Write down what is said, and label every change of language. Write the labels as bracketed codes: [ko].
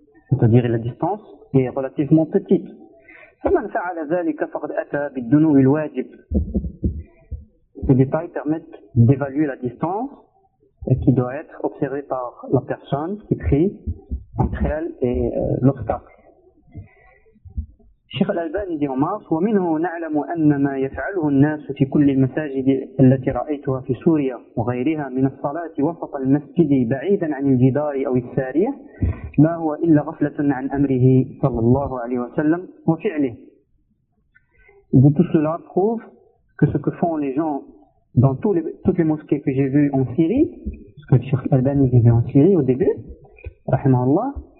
[fr] C'est-à-dire la distance est relativement petite. [ar] فَمَنْ فَعَلَ ذَلِكَ فَقْدْ أَتَى بِالدُّنُوِ الْوَاجِبِ. [fr] Ces détails permettent d'évaluer la distance qui doit être observée par la personne qui prie entre elle et l'obstacle. [ar] شيخ الألباني دي عمار ومنه نعلم أن ما يفعله الناس في كل المساجد التي رأيتها في سوريا وغيرها من الصلاة وسط المسجد بعيدا عن الجدار أو السارية ما هو إلا غفلة عن أمره صلى الله عليه وسلم وفعله. [fr] De tout cela prouve que ce que font les gens dans toutes les mosquées que j'ai vues en Syrie, ce que Cheikh Albani vivait en Syrie au début, [ar] رحمه الله,